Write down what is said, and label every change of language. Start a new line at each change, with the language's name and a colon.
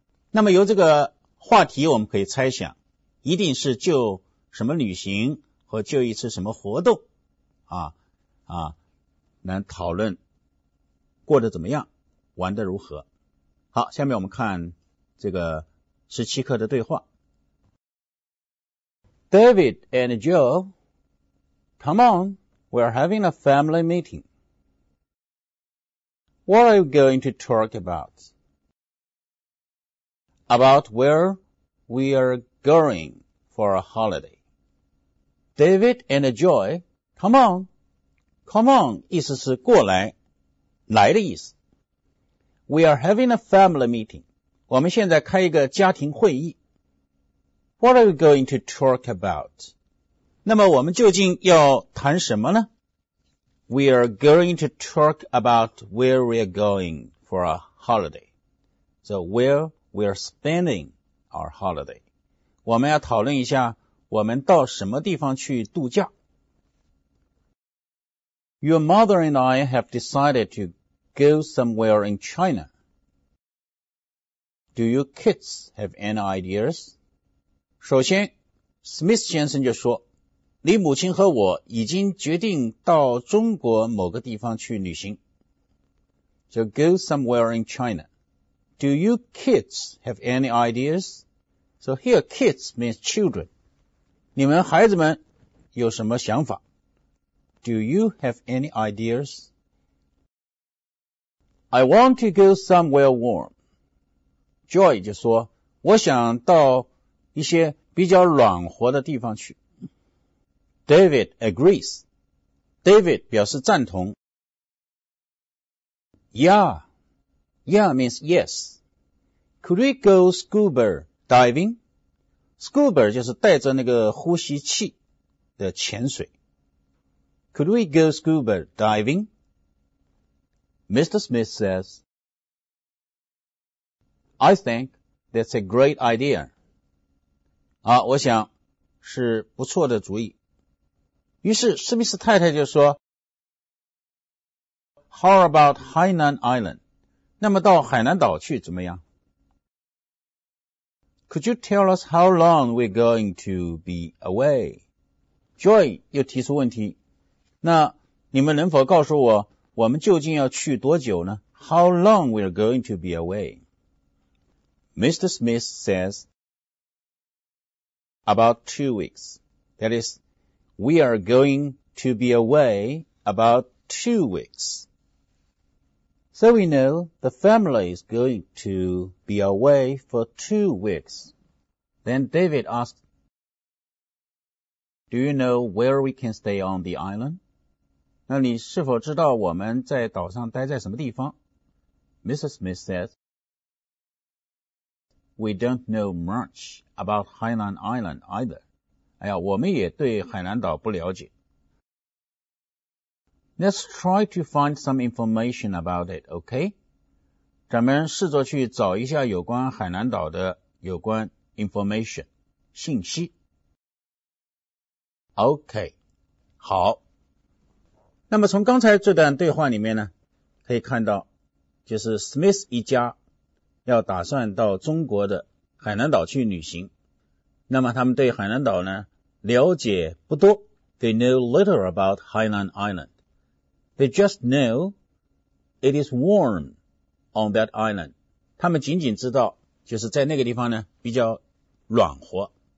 Chinese: 那么由这个话题我们可以猜想，一定是就什么旅行和就一次什么活动啊，能讨论过得怎么样，玩得如何。好，下面我们看这个十七课的对话。
English: David and Joe, come on, we're having a family meeting. What are you going to talk about? About where we are going for a holiday. David and Joe, come on. Come on,
Chinese: 意思是过来，来的意思。
English: We are having a family meeting.
Chinese: 我们现在开一个家庭会议。
English: What are we going to talk about?
Chinese: 那么我们究竟要谈什么呢？
English: We are going to talk about where we are going for a holiday. So where we are spending our holiday.
Chinese: 我们要讨论一下我们到什么地方去度假。
English: Your mother and I have decided to go somewhere in China. Do you kids have any ideas?
Chinese: 首先 ,Smith 先生就说你母亲和我已经决定到中国某个地方去旅行。
English: So go somewhere in China. Do you kids have any ideas? So here kids means children.
Chinese: 你们孩子们有什么想法？
English: Do you have any ideas? I want to go somewhere warm.
Chinese: Joy 就说我想到一些比较暖和的地方去。
English: David agrees.
Chinese: David 表示赞同。
English: Yeah. Yeah means yes. Could we go scuba diving?
Chinese: Scuba 就是带着那个呼吸器的潜水。
English: Could we go scuba diving? Mr. Smith says, I think that's a great idea.
Chinese: 啊，我想是不错的主意。于是史密斯太太就说
English: How about Hainan Island?
Chinese: 那么到海南岛去怎么样？
English: Could you tell us how long we're going to be away?
Chinese: Joy 又提出问题，那你们能否告诉我我们究竟要去多久呢？
English: How long we are going to be away? Mr. Smith says about 2 weeks. That is, we are going to be away about 2 weeks. So we know the family is going to be away for 2 weeks. Then David asked, Do you know where we can stay on the island?
Chinese: 那你是否知道我们在岛上待在什么地方？
English: Mrs. Smith says, We don't know much about Hainan Island either.
Chinese: 哎呀，我们也对海南岛不了解。
English: Let's try to find some information about it, okay?
Chinese: 咱们试着去找一下有关海南岛的有关 information, 信息。 Okay, 好。那么从刚才这段对话里面呢，可以看到就是 Smith 一家要打算到中国的海南岛去旅行。那么他们对海南岛呢了解不多。
English: They know little about Hainan Island. They just know it is warm on that island.
Chinese: 他们仅仅知道就是在那个地方呢比较暖和。